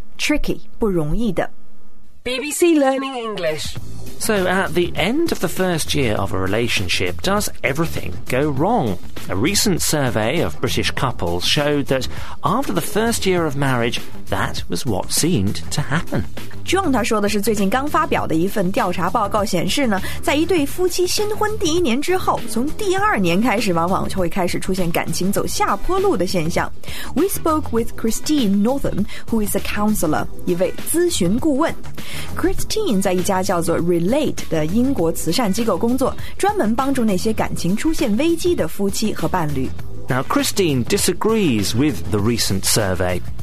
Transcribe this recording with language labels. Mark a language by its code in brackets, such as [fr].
[zh] Tricky, 不容易的。 [en] BBC Learning English. So at the end of the first year of a relationship, does everything go wrong? A recent survey of British couples showed that after the first year of marriage, that was what seemed to happen. [zh] John 他说的是最近刚发表的一份调查报告显示呢，在一对夫妻新婚第一年之后，从第二年开始往往就会开始出现感情走下坡路的现象。 [en] We spoke with Christine Northam, who is a counselor, 一位咨询顾问。 [zh] Christine 在一家叫做 Relate 的英国慈善机构工作，专门帮助那些感情出现危机的夫妻和伴侣。 [en] Now, Christine disagrees with the recent survey.